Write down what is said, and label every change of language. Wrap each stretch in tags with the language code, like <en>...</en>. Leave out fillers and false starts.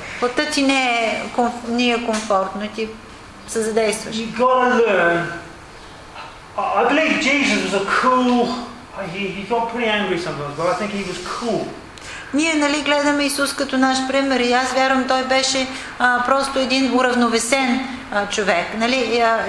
<bg>Плътът ти не е комфортно, ти се задействаш.</bg> <en>You gotta learn I believe Jesus was a cool. He got pretty angry sometimes, but I think he was cool.</en> <bg>Ние нали гледаме Исус като наш пример и аз вярвам, той беше просто един уравновесен човек. Нали?</bg>